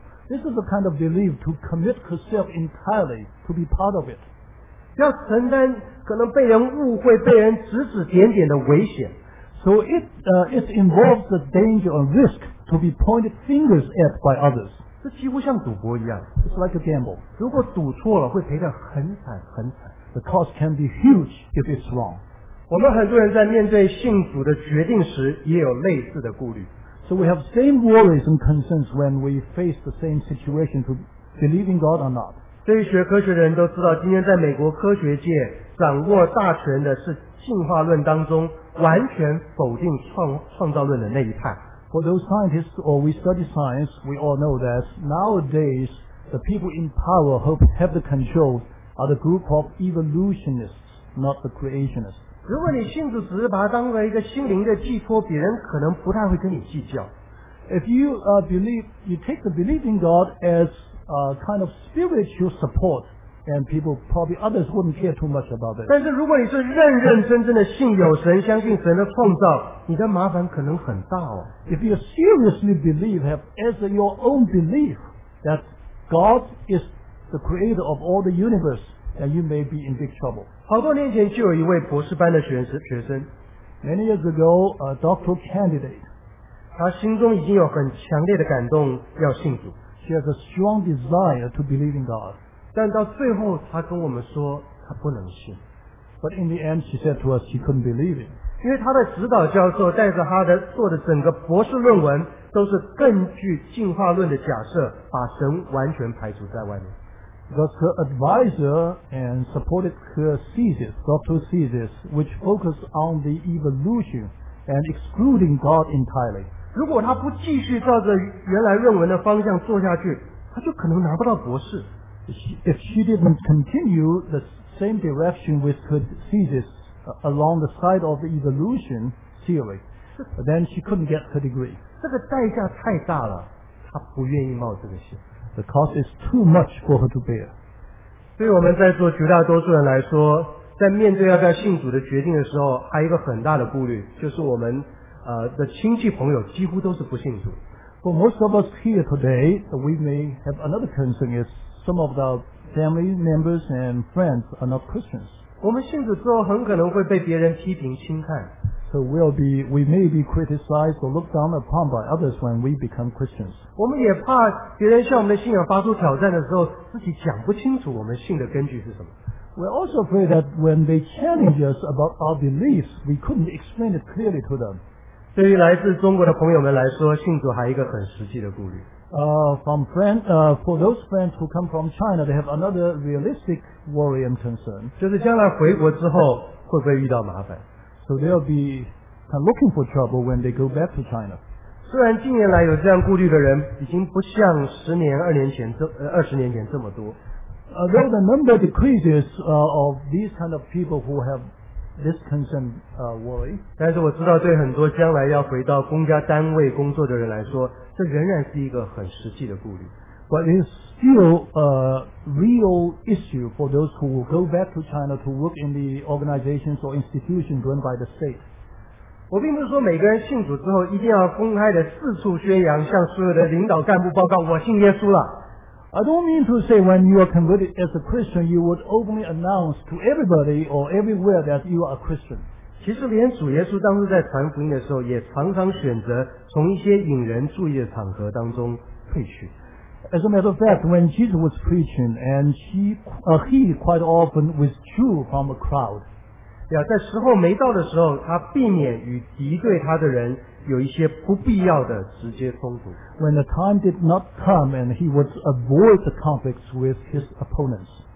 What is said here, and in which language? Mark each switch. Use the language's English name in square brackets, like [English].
[English] This is the kind of belief to commit herself entirely to be part of it. [Chinese] 要承担可能被人误会、被人指指点点的危险。 [English] So it involves the danger or risk to be pointed fingers at by others. [Chinese] 这几乎像赌博一样。 [English] It's like a gamble. [Chinese] 如果赌错了，会赔得很惨很惨。 [English] The cost can be huge if it's wrong. [Chinese] 我们很多人在面对信主的决定时也有类似的顾虑。 [English] So we have same worries and concerns when we face the same situation to believe in God or not. [Chinese] 对于学科学的人都知道，今天在美国科学界掌握大权的是进化论当中完全否定创造论的那一派。 [English] For those scientists or we study science, we all know that nowadays the people in power who have the control are the group of evolutionists, not the creationists. [Chinese] 如果你信主只是把它当作一个心灵的寄托，别人可能不太会跟你计较。 [English] If you believe, you take the belief in God as a kind of spiritual support, and people probably others wouldn't care too much about it. [Chinese] 但是如果你是认认真真的信有神，相信神的创造，你的麻烦可能很大哦。 [English] If you seriously believe, have as your own belief that God is the creator of all the universe. And you may be in big trouble. [Chinese] 好多年前就有一位博士班的学生 [English] Many years ago, a doctoral candidate. [Chinese] 他心中已经有很强烈的感动要信主。 [English] She has a strong desire to believe in God. [Chinese] 但到最后他跟我们说他不能信。 [English] But in the end, she said to us she couldn't believe it. [Chinese] 因为他的指导教授带着他的做的整个博士论文都是根据进化论的假设把神完全排除在外面。 [English] Because her advisor and supported her thesis, doctoral thesis, which focused on the evolution and excluding God entirely. [Chinese] 如果他不继续照着原来论文的方向做下去，他就可能拿不到博士。 [English] If she didn't continue the same direction with her thesis along the side of the evolution theory, then she couldn't get her degree. [Chinese] 这个代价太大了，他不愿意冒这个险。 [English] The cost is too much for her to bear. [Chinese] 对我们在座绝大多数人来说，在面对要不要信主的决定的时候，还有一个很大的顾虑，就是我们的亲戚朋友几乎都是不信主。 [English] For most of us here today, we may have another concern is some of our family members and friends are not Christians. [Chinese] 我们信主之后很可能会被别人批评轻看。 [English] So we may be criticized or looked down upon by others when we become Christians. [Chinese] 我们也怕别人向我们的信仰发出挑战的时候，自己讲不清楚我们信的根据是什么。 [English] We're also afraid that when they challenge us about our beliefs, we couldn't explain it clearly to them. [Chinese] 对于来自中国的朋友们来说，信主还有一个很实际的顾虑。 [English] For those friends who come from China, they have another realistic worry and concern. [Chinese] 就是将来回国之后会不会遇到麻烦？ [English] So they'll be kind of looking for trouble when they go back to China. [Chinese] 虽然近年来有这样顾虑的人已经不像十年、二十年前这么多。 [English] Though the number decreases of these kind of people who have this concern worry, [Chinese] 但是我知道对很多将来要回到公家单位工作的人来说，这仍然是一个很实际的顾虑。 [English] But it's still a real issue for those who will go back to China to work in the organizations or institutions run by the state. [Chinese] 我并不是说每个人信主之后一定要公开的四处宣扬，向所有的领导干部报告我信耶稣了。 [English] I don't mean to say when you are converted as a Christian, you would openly announce to everybody or everywhere that you are a Christian. [Chinese] 其实连主耶稣当时在传福音的时候，也常常选择从一些引人注意的场合当中退去。 [English] As a matter of fact, when Jesus was preaching, and he quite often withdrew from a crowd. [Chinese] 在时候没到的时候，他避免与敌对他的人有一些不必要的直接冲突。 [English] When the time did not come, and he would avoid the conflicts with his opponents.